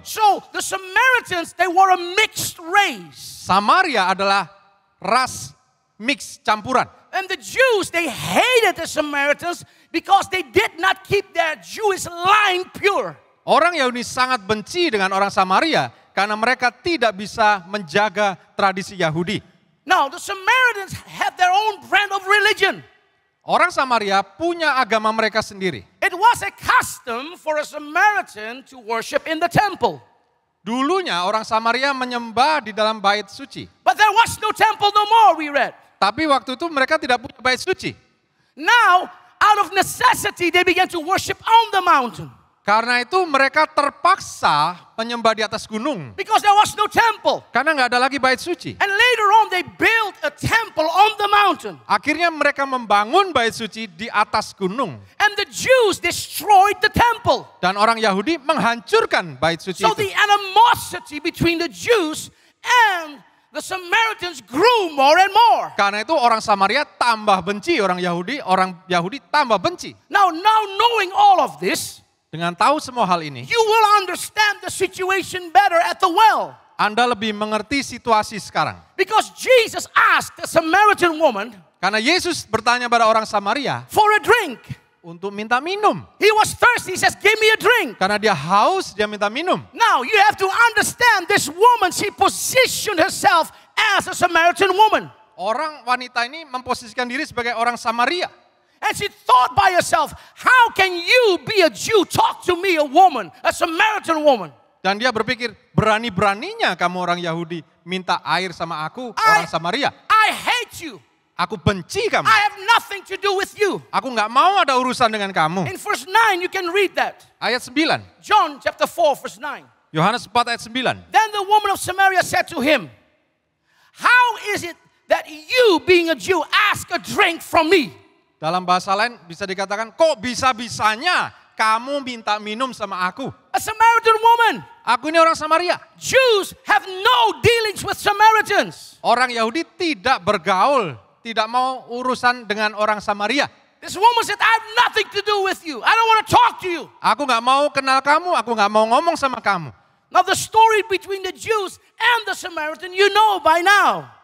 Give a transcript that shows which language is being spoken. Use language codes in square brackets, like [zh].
[en] So the Samaritans, they were a mixed race. [id] Samaria adalah ras mix campuran. [en] And the Jews, they hated the Samaritans because they did not keep their Jewish line pure. [id] Orang Yahudi sangat benci dengan orang Samaria karena mereka tidak bisa menjaga tradisi Yahudi. [en] Now, the Samaritans had their own brand of religion. [id] Orang Samaria punya agama mereka sendiri. [en] It was a custom for a Samaritan to worship in the temple. [id] Dulunya orang Samaria menyembah di dalam bait suci. [en] But there was no temple no more, we read. [id] Tapi waktu itu mereka tidak punya bait suci. [en] Now, out of necessity, they began to worship on the mountain. [id] Karena itu mereka terpaksa menyembah di atas gunung. [en] Because there was no temple. [id] Karena enggak ada lagi bait suci. [en] And later on they built a temple on the mountain. [id] Akhirnya mereka membangun bait suci di atas gunung. [en] And the Jews destroyed the temple. [id] Dan orang Yahudi menghancurkan bait suci [en] so [id] itu. [en] So the animosity between the Jews and the Samaritans grew more and more. [id] Karena itu orang Samaria tambah benci orang Yahudi tambah benci. [en] Now knowing all of this, [id] dengan tahu semua hal ini, [en] you will understand the situation better at the well. [id] Anda lebih mengerti situasi sekarang. [en] Because Jesus asked the Samaritan woman, [id] karena Yesus bertanya pada orang Samaria, [en] for a drink, [id] untuk minta minum. [en] He was thirsty, he says, give me a drink. [id] Karena dia haus, dia minta minum. [en] Now you have to understand this woman, she positioned herself as a Samaritan woman. [id] Orang wanita ini memposisikan diri sebagai orang Samaria. [en] And she thought by herself, how can you be a Jew talk to me, a woman, a Samaritan woman? [id] Dan dia berpikir, berani-beraninya kamu orang Yahudi minta air sama aku, orang Samaria. [en] I hate you. [id] Aku benci kamu. [en] I have nothing to do with you. [id] Aku enggak mau ada urusan dengan kamu. [en] In verse 9 you can read that. [id] Ayat 9. [en] John chapter 4 verse 9. [id] Yohanes 4 ayat 9. [en] Then the woman of Samaria said to him, how is it that you being a Jew ask a drink from me? [id] Dalam bahasa lain bisa dikatakan, kok bisa-bisanya kamu minta minum sama aku? [en] A Samaritan woman. [id] Aku ini orang Samaria. [en] Jews have no dealings with Samaritans. [id] Orang Yahudi tidak bergaul, tidak mau urusan dengan orang Samaria. [en] This woman said, I have nothing to do with you. I don't want to talk to you. [id] Aku enggak mau kenal kamu, aku enggak mau ngomong sama kamu. [en] Now the story between the Jews and the Samaritan, you know by now.